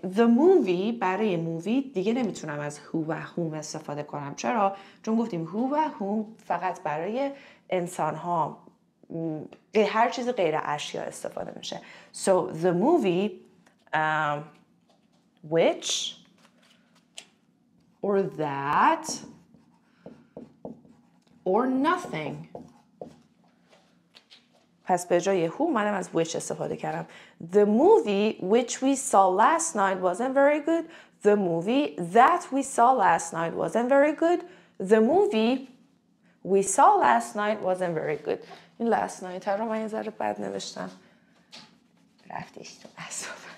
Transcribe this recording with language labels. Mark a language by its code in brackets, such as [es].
[en] The movie، [fa] برای movie دیگه نمیتونم از who و whom استفاده کنم. چرا؟ چون گفتیم who و whom فقط برای انسان ها، هر چیز غیر اشیا استفاده میشه. [en] So the movie which or that or nothing. [fa] پس به جای who منم از which استفاده کردم. [en] The movie which we saw last night wasn't very good. The movie that we saw last night wasn't very good. The movie we saw last night wasn't very good. [fa] این last night رو من یه ذره بد نوشتم، رفتش تو اصاب.